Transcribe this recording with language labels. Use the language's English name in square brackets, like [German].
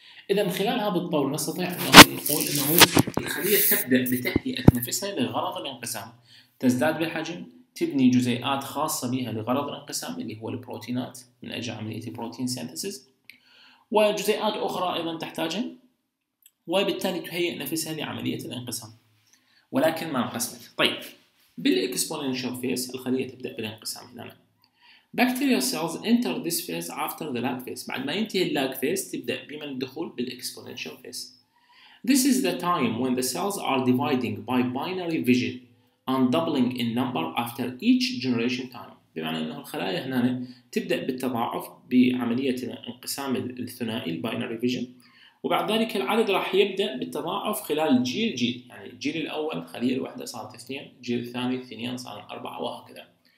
[Arabic] اذا خلال هذا الطور نستطيع ان نقول انه الخلية تبدأ بتهيئة نفسها لغرض الانقسام، تزداد بالحجم، تبني جزيئات خاصة بها لغرض الانقسام اللي هو البروتينات من اجل عملية البروتين سينثيسيس، وجزيئات اخرى ايضا تحتاجها، وبالتالي تهيئ نفسها لعملية الانقسام ولكن ما انقسمت. طيب بالاكسبوننشال فيس الخلية تبدأ بالانقسام. [English] هنا bacterial cells enter this phase after the lag phase، [Arabic] بعد ما ينتهي [English] lag phase [Arabic] تبدأ بمن الدخول [English] بالexponential phase. This is the time when the cells are dividing by binary fission and doubling in number after each generation time، [Arabic] بمعنى أن الخلايا هنا تبدأ بالتضاعف بعملية الانقسام الثنائي binary fission، وبعد ذلك العدد راح يبدأ بالتضاعف خلال جيل جيل، يعني الجيل الأول خلية الوحدة صارت اثنين، جيل الثاني اثنين صار أربعة وهكذا.